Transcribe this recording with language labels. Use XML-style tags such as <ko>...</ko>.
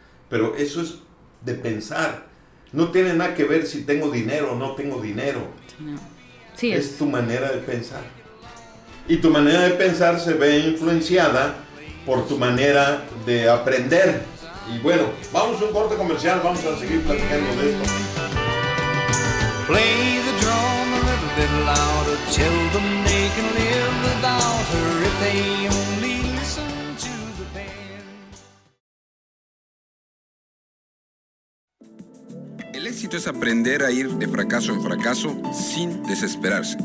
<es>Pero eso es de pensar. No tiene nada que ver si tengo dinero o no tengo dinero. No. Sí es tu manera de pensar. Y tu manera de pensar se ve influenciada por tu manera de aprender. Y bueno, vamos a un corte comercial, vamos a seguir platicando de esto.</es> <en>Play the drum a little bit louder, tell them they can live without her if they only listen to the band.</en> <es>El éxito es aprender a ir de fracaso en fracaso sin desesperarse.</es>